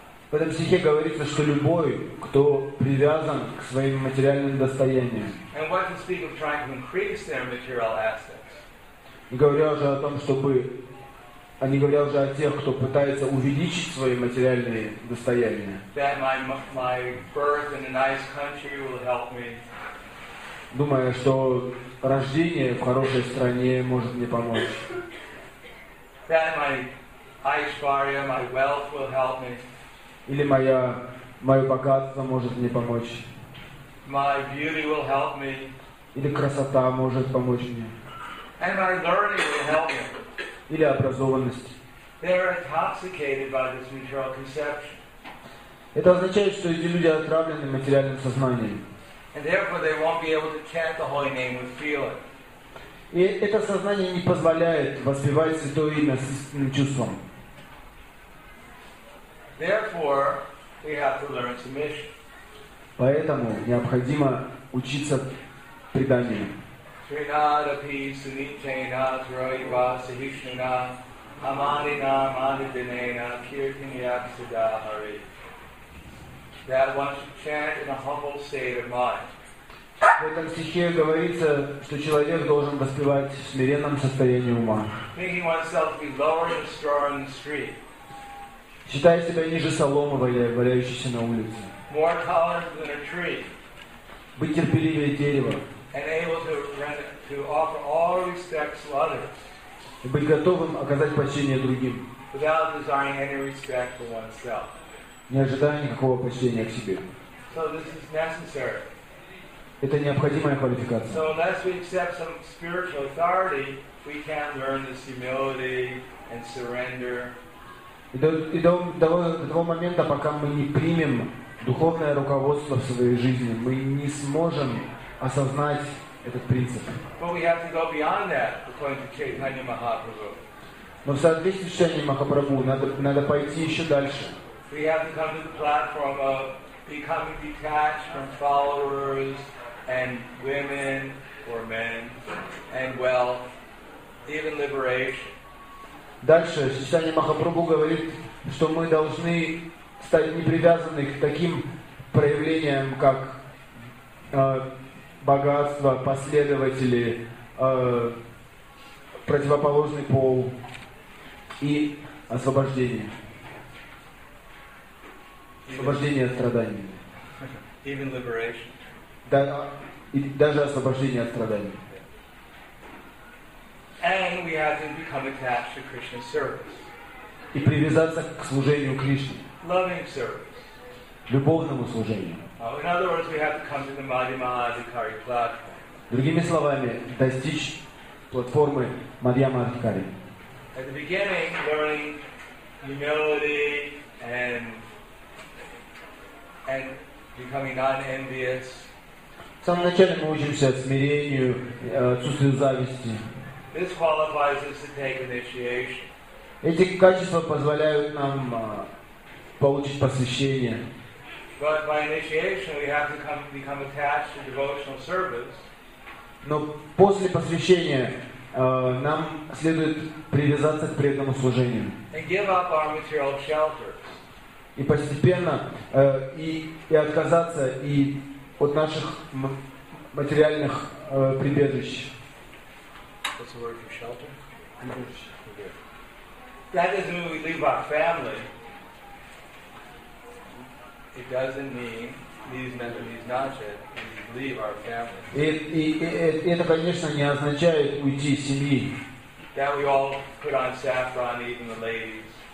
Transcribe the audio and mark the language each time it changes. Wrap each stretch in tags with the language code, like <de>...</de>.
<ru>В этом стихе говорится, что любой, кто привязан к своим материальным достояниям.</ru> <en>And what to speak of trying to increase their material assets.</en> <ru>Говоря уже о том, чтобы они говорят уже о тех, кто пытается увеличить свои материальные достояния.</ru> <en>That my birth in a nice country will help me.</en> <ru>Думая, что рождение в хорошей стране может мне помочь.</ru> <en>That my aishwarya, my wealth will help me.</en> <ru>Или мое богатство может мне помочь.</ru> <en>My beauty will help me.</en> <ru>Или красота может помочь мне.</ru> <en>And my learning will help me.</en> <ru>Или образованность.</ru> <en>They are intoxicated by this material conception.</en> <ru>Это означает, что эти люди отравлены материальным сознанием.</ru> <en>And therefore they won't be able to chant the holy name with feeling.</en> <ru>И это сознание не позволяет воспевать Святое Имя с истинным чувством.</ru> <en>Therefore, we have to learn submission.</en> <ru>Поэтому необходимо учиться преданию.</ru> <sa>Trinada Pisunichena Troiva Sahishana Amanina Amanidinena Kirtinyaksudahari.</sa> <en>That one should chant in a humble state of mind.</en> <ru>В этом стихе говорится, что человек должен воспевать в смиренном состоянии ума.</ru> <en>Thinking oneself to be lower than straw in the street.</en> <ru>Считая себя ниже соломы, валяющейся на улице.</ru> <en>More tolerant than a tree.</en> <ru>Быть терпеливее дерева.</ru> <en>And able to offer all respects to others.</en> <ru>И быть готовым оказать почтение другим.</ru> <en>Without desiring any respect for oneself.</en> <ru>Не ожидая никакого почтения к себе.</ru> <en>So this is necessary.</en> <ru>Это необходимая квалификация.</ru> <en>So unless we accept some spiritual authority, we can't learn this humility and surrender.</en> <ru>И до того момента, пока мы не примем духовное руководство в своей жизни, мы не сможем осознать этот принцип.</ru> <en>But we have to go beyond that, according to Chaitanya Mahaprabhu.</en> <ru>Но в соответствии с Чайтанья Махапрабху надо пойти еще дальше.</ru> <en>We have to come to the platform of becoming detached from followers and women or men and wealth, even liberation.</en> <ru>Дальше Чайтанья Махапрабху говорит, что мы должны стать непривязаны к таким проявлениям, как богатство, последователи, противоположный пол и освобождение. Освобождение от страданий.</ru> <en>Even liberation.</en> <ru>Да, и даже освобождение от страданий.</ru> <en>And we have to become attached to Krishna's service.</en> <ru>И привязаться к служению Кришне.</ru> <en>Loving service.</en> <ru>Любовному служению.</ru> <en>In other words, we have to come to the Madhyama Adhikari platform.</en> <ru>Другими словами, достичь платформы Мадхьяма Адхикари.</ru> <en>At the beginning, learning humility and becoming non-envious.</en> <ru>В самом начале мы учимся смирению, отсутствию зависти.</ru> <en>This qualifies us to take initiation.</en> <ru>Эти качества позволяют нам получить посвящение.</ru> <en>But by initiation we have to become attached to devotional service.</en> <ru>Но после посвящения нам следует привязаться к преданному служению.</ru> <en>And give up our material shelters.</en> <ru>И постепенно и отказаться и от наших материальных прибежищ.</ru> <en>What's the word for shelter? That doesn't mean we leave our family. It doesn't mean these men and these nachet, we leave our family.</en> <ru>Это, конечно, не означает уйти из семьи.</ru> <en>That we all put on saffron, even the ladies.</en>